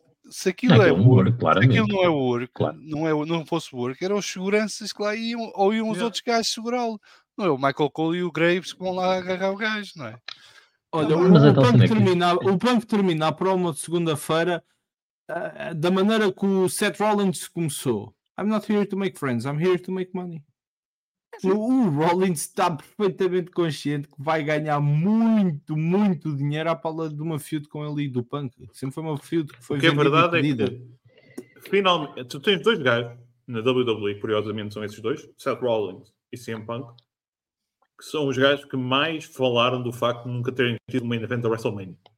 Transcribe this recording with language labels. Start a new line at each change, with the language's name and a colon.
Portuguese: Se aquilo é work, claramente. Se aquilo não é work, claro. não fosse work, eram os seguranças que lá iam, ou iam os outros gajos segurá-lo. Não é o Michael Cole e o Graves que vão lá agarrar o gajo, não é? Olha, o Punk termina a promo de segunda-feira da maneira que o Seth Rollins começou.
English: I'm not here to make friends, I'm here to make money.
Portuguese: O Rollins está perfeitamente consciente que vai ganhar muito, muito dinheiro à pala de uma feud com ele e do Punk. Sempre foi uma feud que foi vendida e pedida. Finalmente, tu tens dois gajos na WWE, curiosamente são esses dois, Seth Rollins e CM Punk, que são os gajos que mais falaram do facto de nunca terem tido uma main event da WrestleMania.